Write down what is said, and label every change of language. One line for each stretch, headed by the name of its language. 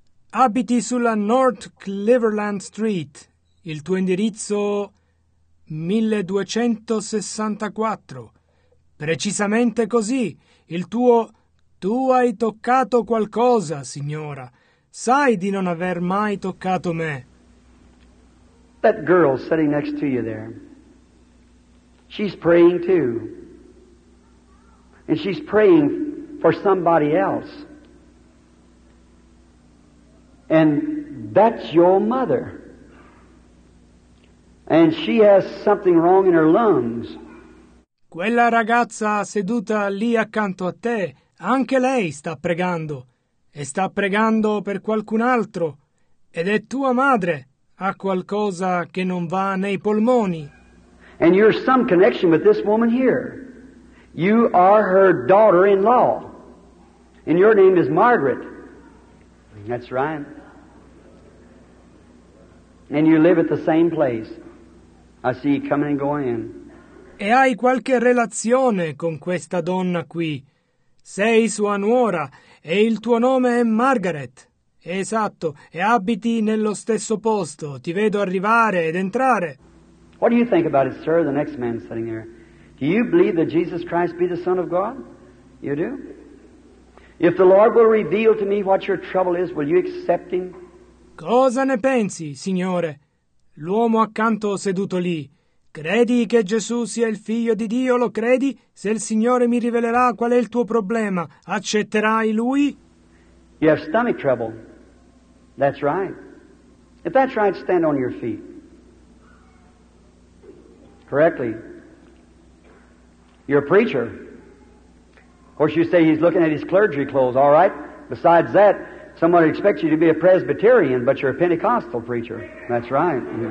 Italian: Abiti sulla North Cleveland Street. Il tuo indirizzo 1264. Precisamente così. Il tuo... Tu hai toccato qualcosa, signora. Sai di non aver mai toccato me.
English: That girl sitting next to you there. She's praying too. And she's praying for somebody else. And that's your mother. And she has something wrong in her lungs.
Italian: Quella ragazza seduta lì accanto a te, anche lei sta pregando. E sta pregando per qualcun altro. Ed è tua madre. Ha qualcosa che non va nei polmoni.
English: And you're some connection with this woman here. You are her daughter-in-law. And your name is Margaret. That's right. And you live at the same place. I see you coming and going in.
Italian: E hai qualche relazione con questa donna qui. Sei sua nuora e il tuo nome è Margaret. Esatto, e abiti nello stesso posto. Ti vedo arrivare ed entrare.
English: What do you think about it, sir, the next man sitting there? Do you believe that Jesus Christ be the Son of God? You do? If the Lord will reveal to me what your trouble is, will you accept him?
Italian: Cosa ne pensi, signore? L'uomo accanto seduto lì. Credi che Gesù sia il figlio di Dio, lo credi? Se il Signore mi rivelerà qual è il tuo problema, accetterai lui?
English: You have stomach trouble. That's right. If that's right, stand on your feet. Correctly. You're a preacher. Of course, you say he's looking at his clergy clothes, all right? Besides that, someone expects you to be a Presbyterian, but you're a Pentecostal preacher. That's right.